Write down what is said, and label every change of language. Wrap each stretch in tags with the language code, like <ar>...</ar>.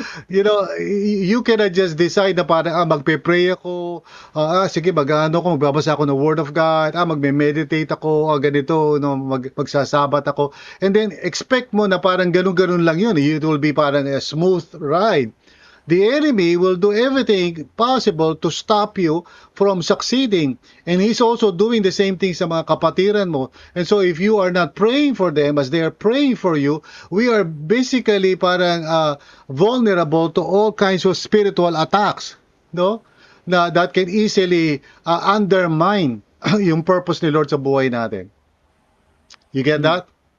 <en>You know, you cannot just decide</en> <tl>na parang, magpe-pray ako, sige, mag-ano ko, magbabasa ako ng Word of God, magme-meditate ako, ganito, no, magsasabat ako.</tl> <en>And then, expect</en> <tl>mo na parang ganun-ganun lang yun.</tl> <en>It will be parang a smooth ride. The enemy will do everything possible to stop you from succeeding. And he's also doing the same thing</en> <tl>sa mga kapatiran mo.</tl> <en>And so if you are not praying for them as they are praying for you, we are basically parang vulnerable to all kinds of spiritual attacks, no? That can easily undermine</en> <tl>yung purpose ni Lord sa buhay natin.</tl> <en>You get that?</en>